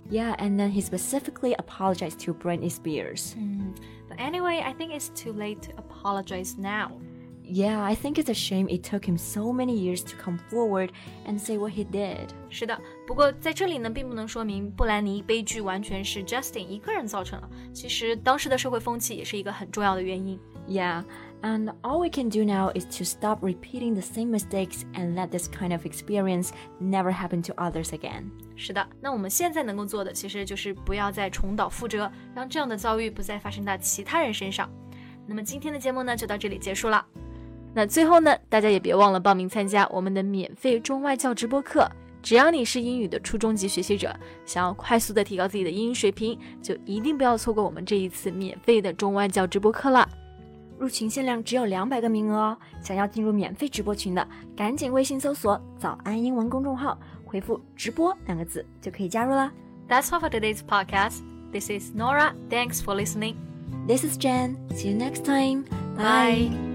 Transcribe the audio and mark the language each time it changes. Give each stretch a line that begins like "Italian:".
English: Yeah, and then he specifically apologized to Britney Spears But anyway, I think it's too late to apologize now Yeah, I think it's a shame it took him so many years to come forward and say what he did.
Chinese: 是的，不过在这里呢，并不能说明布兰妮悲剧完全是 Justin 一个人造成了。其实当时的社会风气也是一个很重要的原因。
English: Yeah, and all we can do now is to stop repeating the same mistakes and let this kind of experience never happen to others again.
Chinese: 是的，那我们现在能够做的其实就是不要再重蹈覆辙，让这样的遭遇不再发生到其他人身上。那么今天的节目呢，就到这里结束了。那最后呢，大家也别忘了报名参加我们的免费中外教直播课。只要你是英语的初中级学习者，想要快速的提高自己的英语水平，就一定不要错过我们这一次免费的中外教直播课了。入群限量只有200个名额哦，想要进入免费直播群的，赶紧微信搜索“早安英文”公众号，回复“直播”两个字就可以加入了。
English: That's all for today's podcast. This is Nora. Thanks for listening. This is Jen. See you next time. Bye.